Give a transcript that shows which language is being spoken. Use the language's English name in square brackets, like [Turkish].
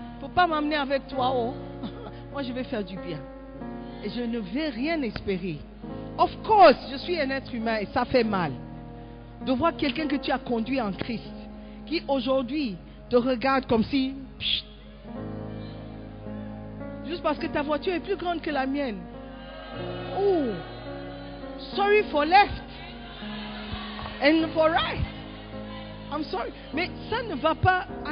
[French] Faut pas m'amener avec toi, oh. Moi je vais faire du bien. Et je ne vais rien espérer. [English] Of course, [French] je suis un être humain et ça fait mal de voir quelqu'un que tu as conduit en Christ qui aujourd'hui te regarde comme si pchut, juste parce que ta voiture est plus grande que la mienne. [English] Ooh, sorry for left and for right. I'm sorry, [French] mais ça ne va pas.